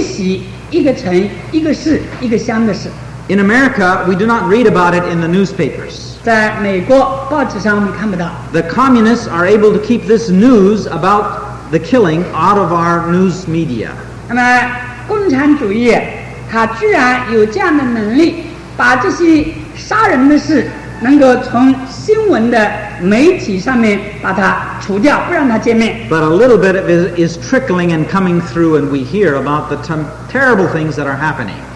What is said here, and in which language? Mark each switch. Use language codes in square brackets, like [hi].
[zh] 各位知道在高棉，在越南，今天有很多很多血洗一个城、一个市、一个乡的事。 [en] In America, we do not read about it in the newspapers. [zh] 在美国报纸上我们看不到。 [en] The communists are able to keep this news about the killing out of our news media. [zh] 那么共产主义，他居然有这样的能力，把这些杀人的事能够从新闻的媒体上面把它除掉，不让它见面。 [en] But a little bit of it is trickling and coming through, and we hear about the terrible things that are happening.